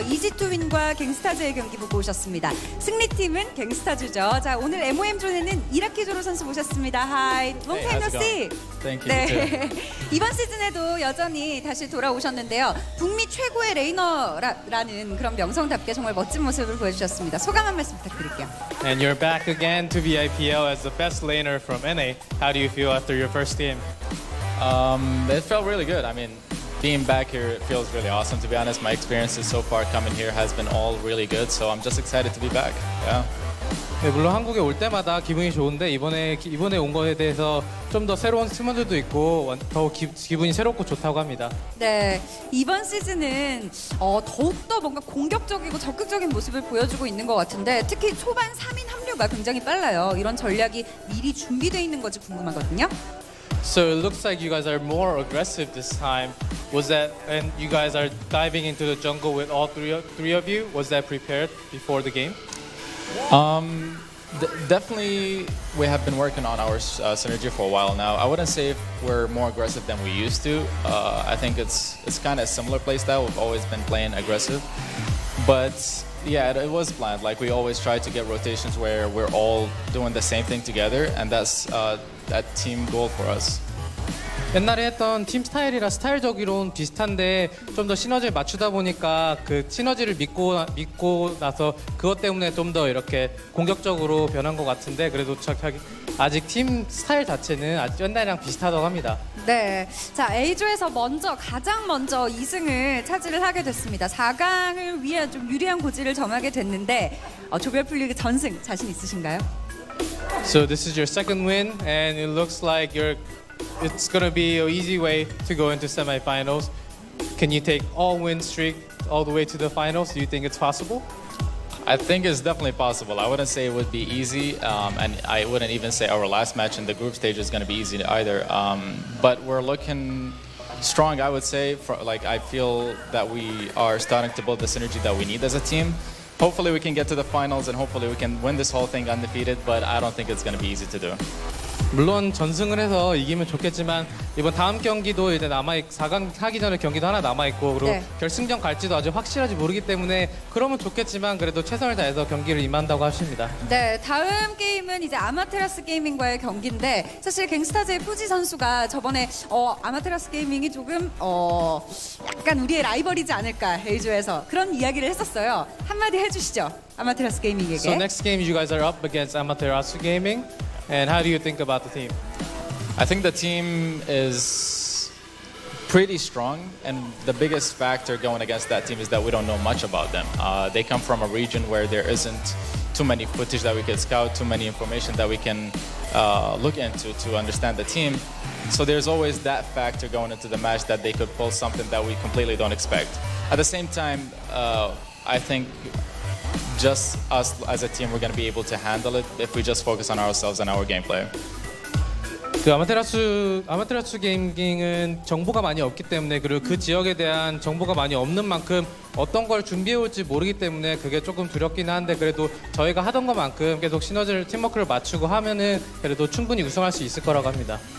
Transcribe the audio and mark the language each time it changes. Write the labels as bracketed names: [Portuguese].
[Korean] 이지투윈과 갱스타즈의 경기 보고 오셨습니다. 승리팀은 갱스타즈죠. 자, 오늘 MOM존에는 이라키 조로 선수 모셨습니다. [English] Hi, long time no see. Thank you. 네. [Korean] 이번 시즌에도 여전히 다시 돌아오셨는데요. 북미 최고의 레이너라는 그런 명성답게 정말 멋진 모습을 보여주셨습니다. 소감 한 말씀 부탁드릴게요. [English] And you're back again to VIPL as the best laner from NA. How do you feel after your first game? It felt really good. I mean, being back here feels really awesome, to be honest. My experiences so far coming here has been all really good, so I'm just excited to be back. Yeah. [Korean] 네, 물론 한국에 올 때마다 기분이 좋은데 이번에 온 거에 대해서 좀 더 새로운 팀원들도 있고 더 기분이 새롭고 좋다고 합니다. 네, 이번 시즌은 더욱더 뭔가 공격적이고 적극적인 모습을 보여주고 있는 것 같은데 특히 초반 3인 합류가 굉장히 빨라요. 이런 전략이 미리 준비되어 있는 건지 궁금하거든요. [English] So it looks like you guys are more aggressive this time. Was that, and you guys are diving into the jungle with all three of you? Was that prepared before the game? Definitely, we have been working on our synergy for a while now. I wouldn't say if we're more aggressive than we used to. I think it's kind of a similar play style. We've always been playing aggressive. But yeah, it was planned. Like we always try to get rotations where we're all doing the same thing together, and that's that team goal for us. [Korean] 옛날에 했던 팀 스타일이랑 스타일적으로는 비슷한데 좀 더 시너지를 맞추다 보니까 그 시너지를 믿고 나서 그것 때문에 좀 더 이렇게 공격적으로 변한 것 같은데 그래도 아직 팀 스타일 자체는 아직 옛날이랑 비슷하다고 합니다. 네, 자 A조에서 가장 먼저 2승을 차지를 하게 됐습니다. 4강을 위해 좀 유리한 고지를 점하게 됐는데 조별 플리그 전승 자신 있으신가요? [English] So this is your second win, and it looks like you're, it's going to be an easy way to go into semifinals. Can you take all win streak all the way to the finals? Do you think it's possible? I think it's definitely possible. I wouldn't say it would be easy, and I wouldn't even say our last match in the group stage is going to be easy either. But we're looking strong, I would say. Like, I feel that we are starting to build the synergy that we need as a team. Hopefully we can get to the finals and hopefully we can win this whole thing undefeated, but I don't think it's going to be easy to do. [Korean] 물론 전승을 해서 이기면 좋겠지만 이번 다음 경기도 이제 남아있고 4강 하기 전에 경기도 하나 남아있고 그리고 네. 결승전 갈지도 아직 확실하지 모르기 때문에 그러면 좋겠지만 그래도 최선을 다해서 경기를 임한다고 하십니다. 네, 다음 게임은 이제 아마테라스 게이밍과의 경기인데 사실 갱스타즈의 푸지 선수가 저번에 아마테라스 게이밍이 조금 약간 우리의 라이벌이지 않을까 에이조에서 그런 이야기를 했었어요. 한마디 해주시죠. 아마테라스 게이밍에게. [English] So next game you guys are up against Amaterasu Gaming. And how do you think about the team? I think the team is pretty strong, and the biggest factor going against that team is that we don't know much about them. They come from a region where there isn't too many footage that we can scout, too many information that we can look into to understand the team. So there's always that factor going into the match that they could pull something that we completely don't expect. At the same time, I think just us as a team, we're going to be able to handle it if we just focus on ourselves and our gameplay. [Korean] 그 아마테라스 게임은 정보가 많이 없기 때문에 그리고 그 지역에 대한 정보가 많이 없는 만큼 어떤 걸 준비해 올지 모르기 때문에 그게 조금 두렵긴 한데 그래도 저희가 하던 것만큼 계속 시너지를 팀워크를 맞추고 하면은 그래도 충분히 우승할 수 있을 거라고 합니다.